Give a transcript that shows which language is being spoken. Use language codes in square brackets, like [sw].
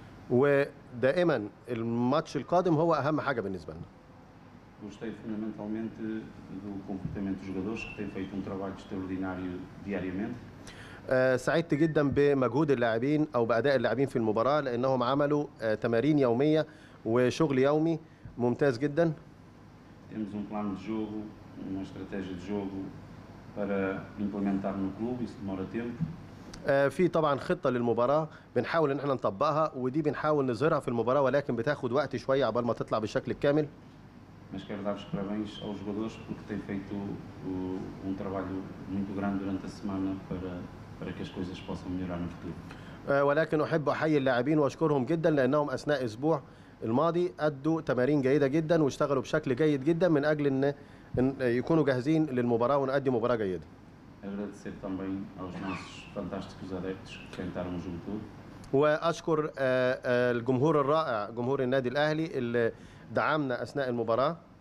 [ar] ودائما الماتش القادم هو أهم حاجة بالنسبة لنا. [pt] Gostei fundamentalmente do comportamento dos jogadores, que têm feito trabalho extraordinário diariamente. [ar] سعدت جدا بمجهود اللاعبين او باداء اللاعبين في المباراه لانهم عملوا تمارين يوميه وشغل يومي ممتاز جدا. [pt] Temos plano de jogo, uma estratégia de jogo para implementar no clube, isso demora tempo. [ar] في طبعا خطه للمباراه بنحاول ان احنا نطبقها ودي بنحاول نظهرها في المباراه ولكن بتاخد وقت شويه قبل ما تطلع بالشكل الكامل. [pt] Mas quero dar os parabéns aos jogadores porque têm feito trabalho muito grande durante a semana para que as coisas possam melhorar no futuro. [ar] ولكن احب احيي اللاعبين واشكرهم جدا لانهم اثناء الاسبوع الماضي ادوا تمارين جيده جدا واشتغلوا بشكل جيد جدا من اجل ان يكونوا جاهزين للمباراه ونقدم مباراه جيده. [pt] Agradecer também aos nossos fantásticos adeptos que cantaram o jogo todo. [ar] واشكر الجمهور الرائع جمهور النادي الاهلي اللي دعمنا اثناء المباراه.